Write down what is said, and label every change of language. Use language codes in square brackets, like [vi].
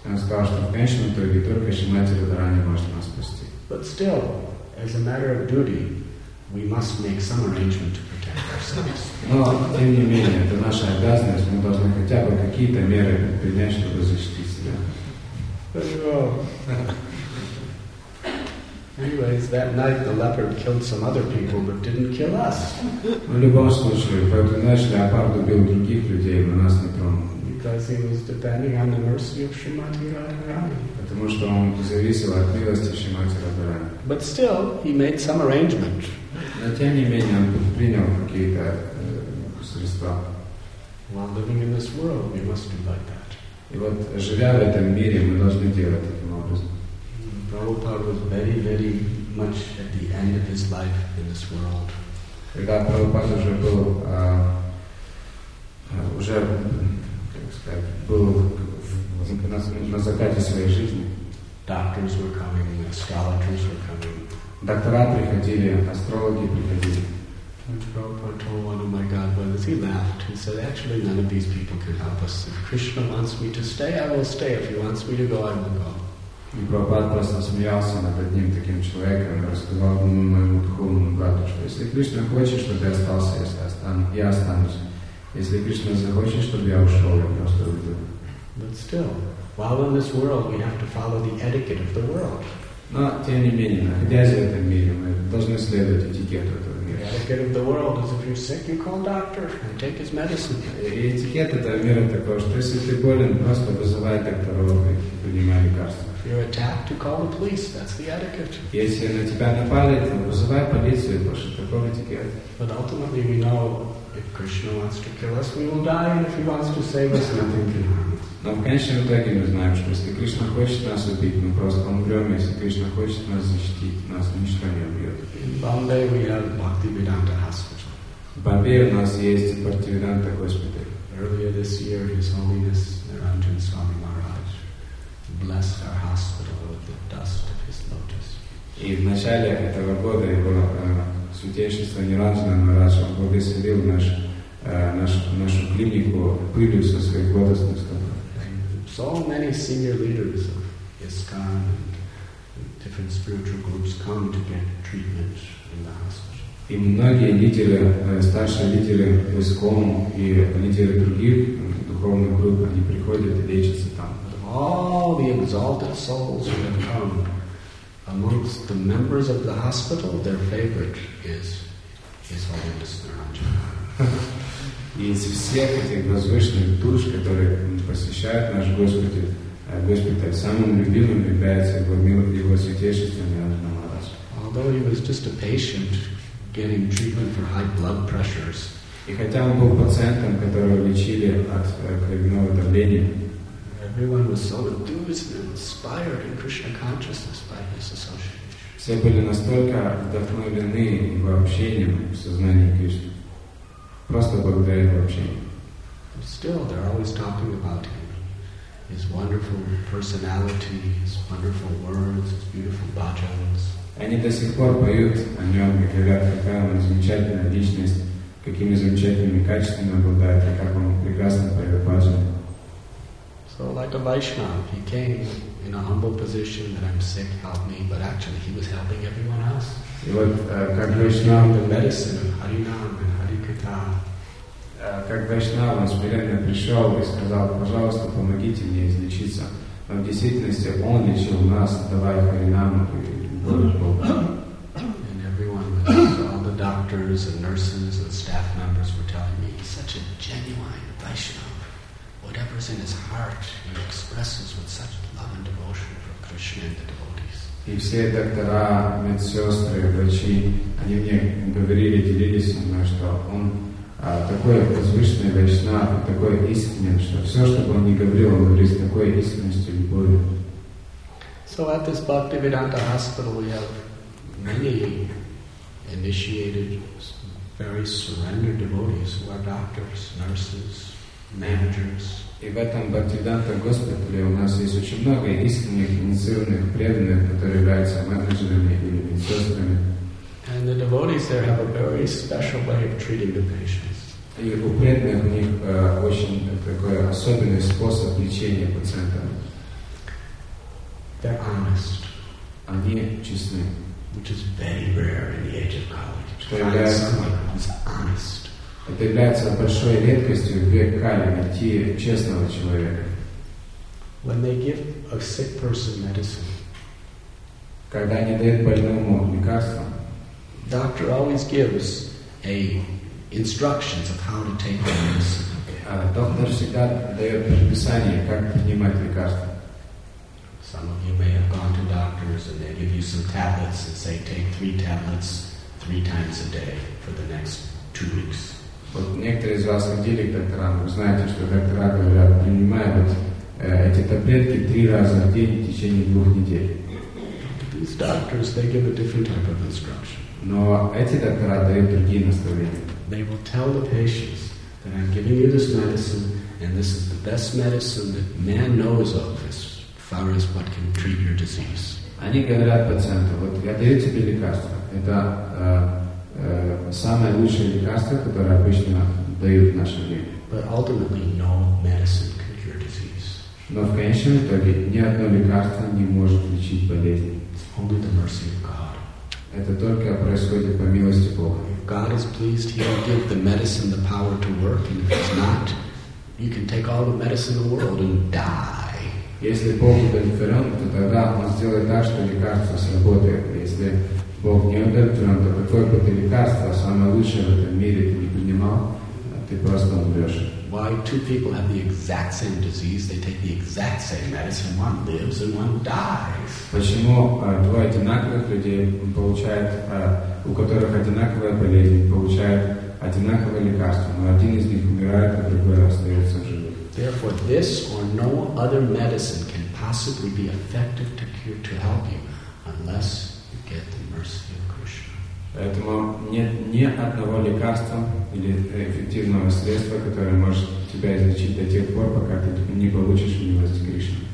[ru] Он сказал, что в конечном итоге только Шримати Радхарани может нас спасти. [en] But still, as a matter of duty, we must make some arrangement to protect ourselves. [ru] Но, тем не менее, это наша обязанность, мы должны хотя бы какие-то меры принять, чтобы защитить себя. [en] Anyways, that night the leopard killed some other people, but didn't kill us. [ru] В любом случае, в эту ночь леопард убил других людей, но нас не тронул. [en] Because he was depending on the mercy of Srimati Radharani. [ru] Потому что он зависел от милости Шримати Радхарани. [en] But still, he made some arrangement. [ru] Но тем не менее, он принял какие-то средства. [en] While living in this world, we must do like that. [ru] И вот, живя в этом мире, мы должны делать таким образом. [en] Prabhupada was very, very much at the end of his life in this world. [ru] Когда Прабхупада уже был, уже, как сказать, был на закате своей жизни. [en] Doctors were coming, astrologers were coming. [ru] Доктора приходили, астрологи приходили. [en] And Prabhupada told one of my godbrothers, he laughed. He said, actually none of these people can help us. If Krishna wants me to stay, I will stay. If he wants me to go, I will go. [ru] И Прабхупад просто смеялся над одним таким человеком и рассказал ему, моему духовному брату, что если Кришна хочет, чтобы я остался, я останусь. Если Кришна захочет, чтобы я ушел, я просто уйду. [en] But still, while in this world, we have to follow the etiquette of the world. [ru] Но, тем не менее, находясь в этом мире, мы должны следовать этикету этого мира. [en] The etiquette of the world is if you're sick, you call a doctor and take his medicine. [ru] И этикет этого мира такой, что если ты болен, просто вызывай доктора и принимай лекарства. [en] You're attacked to call the police. That's the etiquette. [ru] Если на тебя напали, то вызывай полицию, потому что такой этикет. [en] But ultimately we know if Krishna wants to kill us, we will die, and if he wants to save us, nothing can happen. [ru] Но в конечном итоге мы знаем, что если Кришна хочет нас убить, мы просто умрем, если Кришна хочет нас защитить, нас ничто не убьет. [en] In Bombay we have Bhaktivedanta Hospital. [ru] В Бомбее у нас есть Бхактивиданта Госпиталь. [en] Earlier this year, His Holiness Niranjan Swami Maharaj blessed our hospital with the dust of his lotus. [ru] И в начале этого года его святейшество Ниранджана Махараджа благословил нашу клинику пылью со своих лотосных стоп. [en] So many senior leaders of ISKCON and different spiritual groups come to get treatment in the hospital. [ru] И многие лидеры, старшие лидеры ISKCON и лидеры других духовных групп, они приходят и лечатся там. [en] But all the exalted souls who have come amongst the members of the hospital, their favorite is His Holiness Niranjana. [ru] И из всех этих возвышенных душ, которые посещают наш Госпиталь, самым любимым является его святейшество Ниранджана Махарадж. [en] Although he was just a patient getting treatment for high blood pressures, [ru] и хотя он был пациентом, которого лечили от кровяного давления, [en] everyone was so enthused and inspired in Krishna consciousness by his association. [ru] Все были настолько вдохновлены его общением в сознании Кришны. Просто благодаря его общению. [en] But still, they're always talking about him. His wonderful personality, his wonderful words, his beautiful bhajans. [ru] Они до сих пор поют о нем, как говорят, какая он замечательная личность, какими замечательными качествами обладает, и как он прекрасно поет бхаджан. [en] So like a Vaishnav, he came in a humble position that I'm sick, help me, but actually he was helping everyone else. [ru] И вот как Вайшнав, [en] the medicine of Харинам and Харикатха. [ru] Как Вайшнав, он смиренно пришел и сказал, пожалуйста, помогите мне излечиться. Но в действительности он лечил нас, давая Харинаму и [en] And everyone, all the doctors and nurses and staff members were telling me, he's such a genuine Vaishnava. Whatever's in his heart, he expresses with such love and devotion for Krishna and the devotees. [ru] И все доктора, медсестры, врачи, они мне говорили, делились со мной, что он такой возвышенный Вайшнава, такой искренний, что все, что бы он ни говорил, он говорит с такой искренностью и любовью. [en] So at this Bhaktivedanta hospital we have many initiated, very surrendered devotees who are doctors, nurses, managers. [ru] И в этом Бхактивиданта госпитале у нас есть очень много искренних, инициированных, преданных, которые являются менеджерами или медсестрами. [en] And the devotees there have a very special way of treating the patients. [ru] И у преданных у них очень такой особенный способ лечения пациента. [en] They're honest. [ru] Они честны. [en] Which is very rare in the age of Kali. To find someone who's honest. [ru] Это является большой редкостью в век Кали, найти честного человека. [en] When they give a sick person medicine, [ru] когда они дают больному лекарство, [en] doctor always gives a instructions of how to take the medicine. [ru] Доктор всегда дает предписание, как принимать лекарство. [en] Some of you may have gone to doctors and they give you some tablets and say, take 3 tablets 3 times a day for the next 2 weeks. [ru] Вот некоторые из вас ходили к докторам, вы знаете, что доктора говорят, принимай вот эти таблетки 3 раза в день в течение 2 недель. [en] These doctors, they give a different type of instruction. [ru] Но эти доктора дают другие наставления. [en] They will tell the patients that I'm giving you this medicine and this is the best medicine that man knows of as far as what can treat your disease. [ru] Они говорят пациенту, вот я даю тебе лекарство, это самое лучшее лекарство, которое обычно дают в наше время. [en] But ultimately, no medicine can cure disease. [ru] Но в конечном итоге ни одно лекарство не может лечить болезнь. [en] It's only the mercy of God. [ru] Это только происходит по милости Бога. [en] If God is pleased, He will give the medicine the power to work, and if it's not, you can take all the medicine in the world and die. [ru] Если Бог удовлетворен, то тогда Он сделает так, что лекарство сработает. Если Бог не удовлетворен, то какое бы ты лекарство, самое лучшее в этом мире, ты не принимал, ты просто умрешь. [en] Why two people have the exact same disease, they take the exact same medicine, one lives and one dies. [ru] Почему двое одинаковых людей получают, у которых одинаковая болезнь, получают одинаковое лекарство, но один из них умирает, а другой остается жив. [en] Therefore, this or no other medicine can possibly be effective to cure, to help you, unless you get the mercy of Krishna. [ru] Поэтому нет ни одного лекарства или эффективного средства, которое может тебя излечить до тех пор, пока ты не получишь милости Кришны.